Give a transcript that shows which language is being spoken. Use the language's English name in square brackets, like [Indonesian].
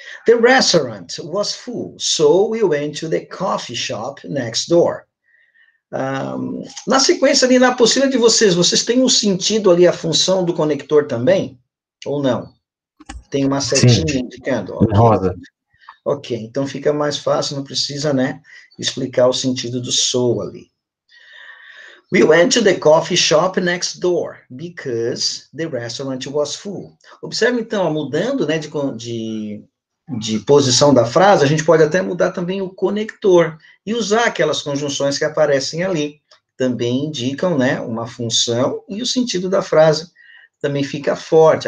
[English] The restaurant was full, so we went to the coffee shop next door. [Portuguese] Na sequência ali, na apostila de vocês, vocês têm um sentido ali, a função do conector também? Ou não? Tem uma setinha Sim. indicando? [English] Okay. Rosa. [Portuguese] Ok, então fica mais fácil, não precisa, né, explicar o sentido do so ali. [English] We went to the coffee shop next door because the restaurant was full. [Portuguese] Observe, então, mudando, né, de posição da frase, a gente pode até mudar também o conector e usar aquelas conjunções que aparecem ali. Também indicam, né, uma função e o sentido da frase também fica forte.